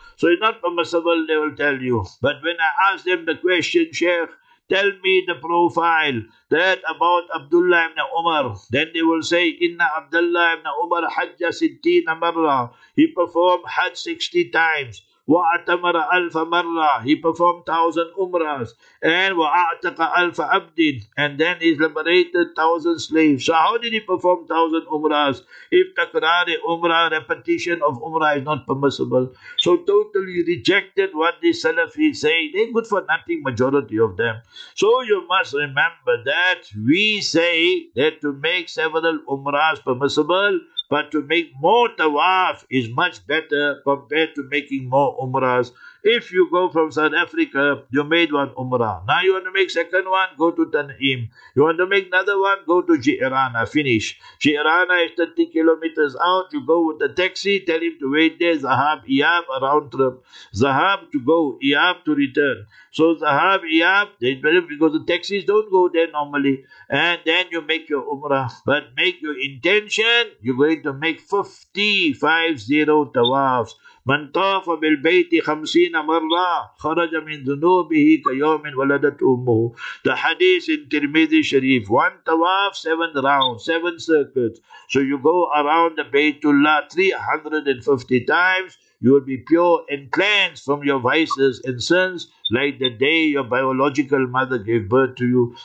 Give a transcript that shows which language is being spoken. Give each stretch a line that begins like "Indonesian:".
English: So it's not permissible, they will tell you. But when I ask them the question, Sheikh, tell me the profile, that about Abdullah ibn Umar. Then they will say,
Arabic: Inna Abdullah ibn Umar hajja sittina marra.
English: He performed Hajj 60 times.
Arabic: وَأَتَمَرَ أَلْفَ مَرَّةٍ.
English: He performed 1,000 umrahs.
Arabic: And وَأَعْتَقَ أَلْفَ عَبْدٍ.
English: And then he liberated 1,000 slaves. So how did he perform 1,000 umrahs? If takrari umrah, repetition of umrah is not permissible. So totally rejected what the Salafis say. They're good for nothing, majority of them. So you must remember that we say that to make several umrahs permissible, but to make more tawaf is much better compared to making more umrahs. If you go from South Africa, you made one umrah. Now you want to make second one, go to Tan'im. You want to make another one, go to Jirana, finish. Jirana is 30 kilometers out. You go with the taxi, tell him to wait there. Zahab, Iyab, a round trip. Zahab to go, Iyab to return. So Zahab, Iyab, because the taxis don't go there normally. And then you make your umrah. But make your intention, you're going to make 50 tawafs.
Arabic: من طاف بالبيت 50 مرة خرج من ذنوبه كيوم ولدت أمه.
English: The hadith in Tirmidhi Sharif. One tawaf, 7 rounds, 7 circuits. So you go around the Baytullah 350 times, you will be pure and cleansed from your vices and sins, like the day your biological mother gave birth to you.